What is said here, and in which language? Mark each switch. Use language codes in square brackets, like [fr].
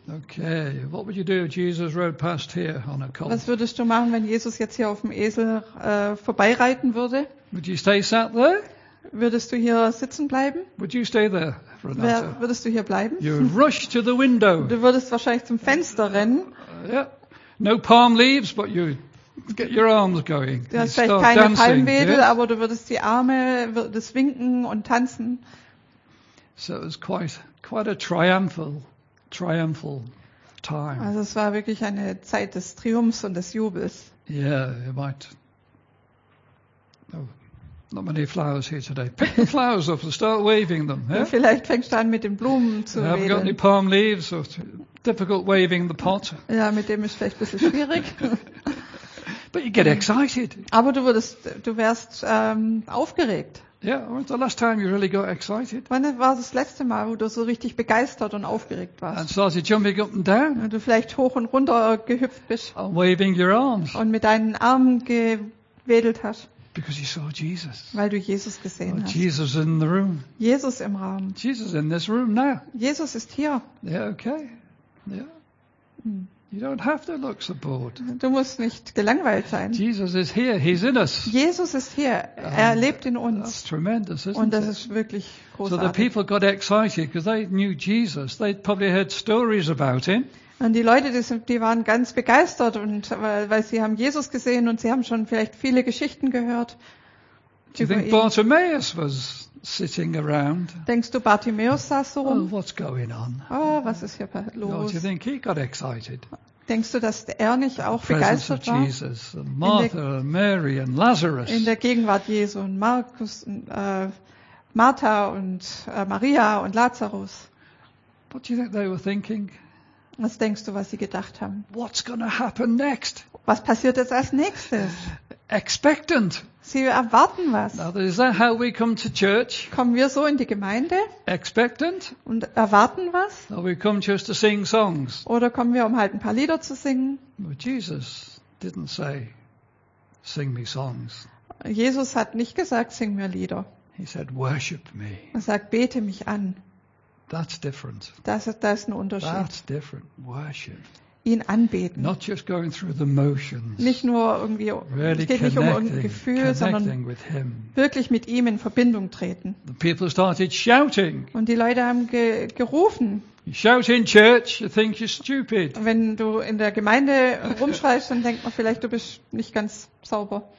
[en] Okay, what would you do if Jesus rode past here on a colt? [de] Was würdest du machen, wenn Jesus jetzt hier auf dem Esel vorbeireiten würde? [en] Would you stay sat there? [de] Würdest du hier sitzen bleiben? [en] Would you stay there, Renata? [de] Würdest du hier bleiben? [en] You would rush to the window. [de] Du würdest wahrscheinlich zum Fenster rennen. [en] Yeah. No palm leaves, but you get your arms going. [de] Du hast vielleicht keine Palmwedel, yeah? Aber du würdest die Arme, würdest winken und tanzen. [en] So it was quite a triumphal time. [de] Also es war wirklich eine Zeit des Triumphs und des Jubels. [en] Yeah, you might. Oh, not many flowers here today. Pick the flowers up and start waving them. Yeah? [de] Ja, vielleicht fängst du an, mit den Blumen zu wedeln. [en] I haven't got any palm leaves, so difficult waving the pot. [de] Ja, mit dem ist vielleicht ein bisschen schwierig. [en] But you get excited. [de] Aber du wärst aufgeregt. [en] Yeah, when was the last time you really got excited? [de] Wann war das letzte Mal, wo du so richtig begeistert und aufgeregt warst? [en] And started jumping up and down. [de] Und du vielleicht hoch und runter gehüpft bist. [en] And waving your arms. [de] Und mit deinen Armen gewedelt hast. [en] Because you saw Jesus. [de] Weil du Jesus gesehen hast. [en] Jesus in the room. [de] Jesus im Raum. [en] Jesus in this room now. [de] Jesus ist hier. [en] Yeah, okay. Yeah. You don't have to look so bored. [de] Du musst nicht gelangweilt sein. [en] Jesus is here. He's in us. [de] Jesus ist hier. Er lebt in uns. [en] That's tremendous, isn't it? [de] Und das ist wirklich großartig. [en] So the people got excited because they knew Jesus. They'd probably heard stories about him. [de] Und die Leute, die waren ganz begeistert, und weil sie haben Jesus gesehen und sie haben schon vielleicht viele Geschichten gehört. [en] Do you think Bartimaeus was sitting around? [de] Denkst du, Bartimaeus saß so rum? [en] Oh, what's going on? [de] Oh, was ist hier los? [en] Don't you think he got excited? [de] Denkst du, dass er nicht auch begeistert war? [en] Jesus, and Martha, and Mary and Lazarus. [de] In der Gegenwart Jesu und Markus, Martha und Maria und Lazarus. [en] What do you think they were thinking? [de] Was denkst du, was sie gedacht haben? [en] What's going to happen next? [de] Was passiert jetzt als nächstes? [en] Expectant. [de] Sie erwarten was. [en] Now, is that how we come to church? [de] Kommen wir so in die Gemeinde? [en] Expectant. [de] Und erwarten was? [en] Or we come just to sing songs? [de] Oder kommen wir, um halt ein paar Lieder zu singen? [en] But Jesus didn't say, sing me songs. [de] Jesus hat nicht gesagt, sing mir Lieder. [en] He said, worship me. [de] Er sagt, bete mich an. [en] That's different. [de] Das ist ein Unterschied. [en] That's different. Worship. [de] Ihn anbeten. [en] Not just going through the motions. [de] Nicht nur irgendwie, [en] really, [de] es geht nicht um irgendein Gefühl, sondern wirklich mit ihm in Verbindung treten. [en] The people started shouting. [de] Und die Leute haben gerufen. [en] You shout in church, you think you're stupid. [de] Wenn du in der Gemeinde rumschreist, dann denkt man vielleicht, du bist nicht ganz sauber.